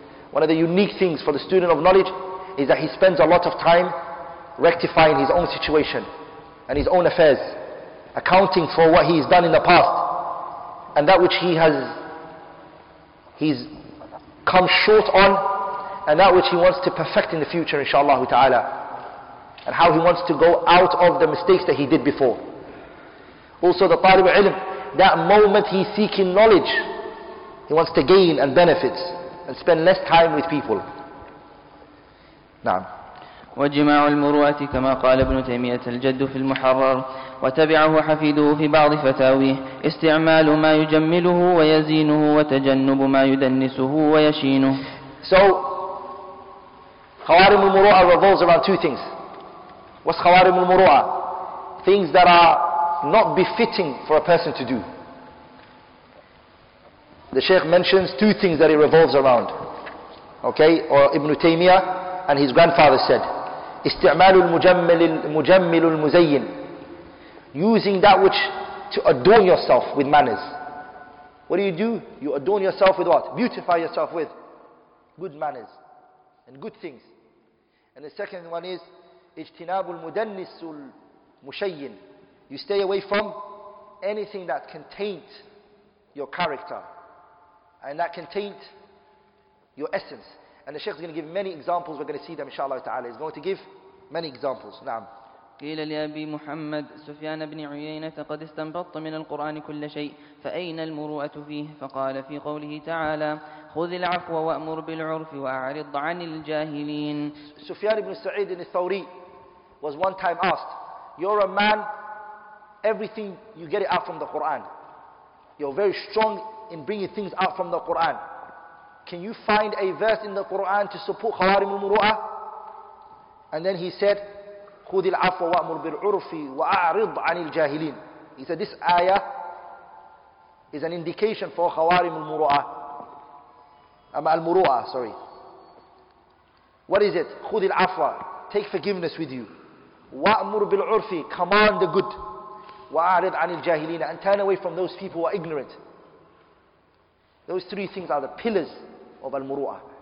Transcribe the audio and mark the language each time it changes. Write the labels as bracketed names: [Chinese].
[English] One of the unique things for the student of knowledge is that he spends a lot of time rectifying his own situation and his own affairs, accounting for what he's done in the past and that which he's come short on and that which he wants to perfect in the future, inshallah ta'ala, and how he wants to go out of the mistakes that he did before. Also the talib ilm, that moment he's seeking knowledge, he wants to gain and benefit and spend less time with people. [Arabic] نعم. وجماع المروءة كما قال ابن تيمية الجد في المحرر وتبعه حفيده في بعض فتاويه استعمال ما يجمله ويزينه وتجنب ما يدنسه ويشينه. [English] So خوارم المروءة revolves around two things. What's خوارم المروءة? Things that are not befitting for a person to do. The Shaykh mentions two things that it revolves around. Okay, or Ibn Taymiyyah and his grandfather said, [Arabic] Isti'malu al-mujammil al-muzayyin. [English] Using that which to adorn yourself with manners. What do? You adorn yourself with what? Beautify yourself with good manners and good things. And the second one is, [Arabic] Ijtinabu al-mudannis al-mushayyin. [English] You stay away from anything that can taint your character. And that can taint your essence. And the Shaykh is going to give many examples. We're going to see them, inshallah ta'ala. He's going to give many examples. [Arabic] Naam. قيل لأبي محمد سفيان بن عيينة قد استنبطت من القرآن كل شيء فأين المروءة فيه؟ فقال في قوله تعالى خذ العفو وأمر بالعرف وأعرض عن الجاهلين. [English] سفيان بن سعيد الثوري was one time asked, you're a man, everything you get it out from the Quran, you're very strong in bringing things out from the Quran, can you find a verse in the Quran to support خوارم المروءة? And then he said, [Arabic] خذ العفو وأمر بالعرف وأعرض عن الجاهلين. [English] He said, this ayah is an indication for خوارم المروءة. المروءة, sorry. What is it? [Arabic] خذ العفو, [English] take forgiveness with you. [Arabic] وأمر بالعرف, [English] command the good. [Arabic] وأعرض عن الجاهلين, [English] and turn away from those people who are ignorant. Those three things are the pillars of al-muru'ah.